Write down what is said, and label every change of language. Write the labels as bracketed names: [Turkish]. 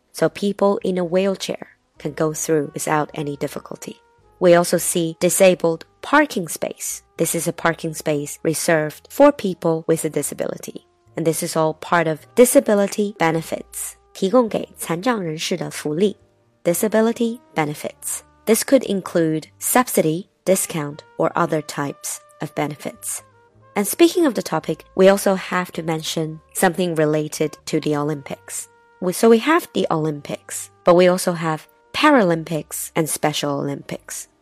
[English] So people in a wheelchair can go through without any difficulty. We also see disabled parking space. This is a parking space reserved for people with a disability. And this is all part of disability benefits. [Chinese] 提供给残障人士的福利 [English] Disability benefits. This could include subsidy, discount, or other types of benefits. And speaking of the topic, we also have to mention something related to the Olympics. So we have the Olympics, but we also have Paralympics and Special Olympics.